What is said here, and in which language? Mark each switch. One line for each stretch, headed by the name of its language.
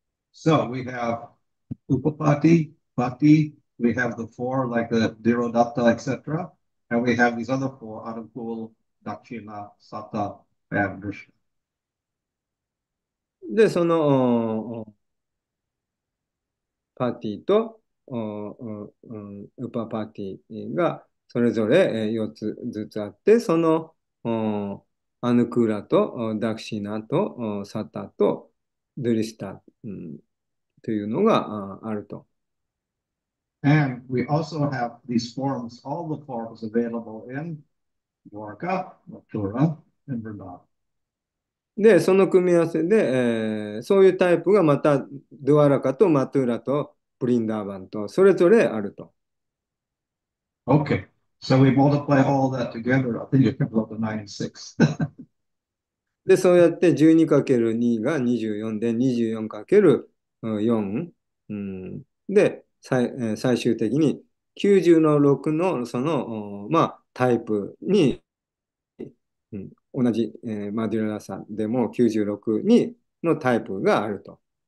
English: So we have upapati, pati, we have the four like the Dhirodatta, etc. And we have these other four, Anukul, Dakshina, Sata, and Drishna.
Japanese: で、その、パティと、ウパパティがそれぞれ4つずつあって、そのアヌクーラとダクシナとサタとドゥリシタ、というのがあると。
English: And we also have these forms, all the forms available in Dwarka, Mathura, and Vrindavan.
Japanese: で、その組み合わせで、そういうタイプがまたドゥアラカとマトゥーラとブリンダーバンとそれぞれあると。
English: Okay, so we multiply all that together, I think you can blow the 96.
Japanese: で、そうやって 12×2 が24で、24×4、で、最終的に96のその、まあ、タイプに、同じ、マデュララサでも96にのタイプがあると。